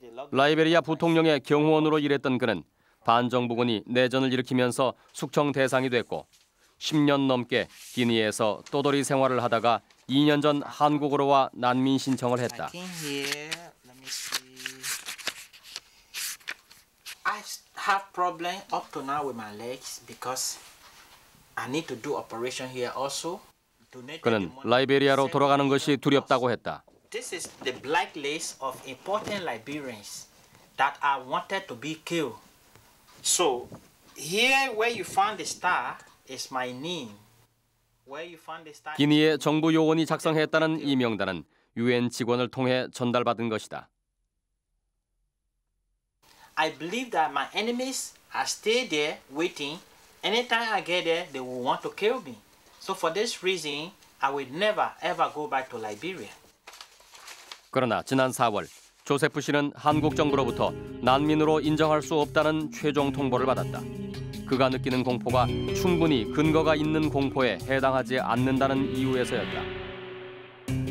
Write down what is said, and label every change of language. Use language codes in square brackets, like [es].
[ko] 라이베리아 부통령의 경호원으로 일했던 그는 반정부군이 내전을 일으키면서 숙청 대상이 됐고 10년 넘게 기니에서 떠돌이 생활을 하다가 2년 전 한국으로 와 난민 신청을 했다. [en] I have problem up to now with my legs because I need to do operation here also. [ko] 그는 라이베리아로 돌아가는 것이 두렵다고 했다. [en] This is the blacklist of important Liberians that are wanted to be killed. So here where you found the star is my name. [ko] 기니의 정부 요원이 작성했다는 이 명단은 유엔 직원을 통해 전달받은 것이다. [en] I believe that my enemies are still there waiting. Anytime I get there, they will want to kill me. So for this reason, I will never ever go back to Liberia. [ko] 그러나 지난 4월 조세프 씨는 한국 정부로부터 난민으로 인정할 수 없다는 최종 통보를 받았다. 그가 느끼는 공포가 충분히 근거가 있는 공포에 해당하지 않는다는 이유에서였다.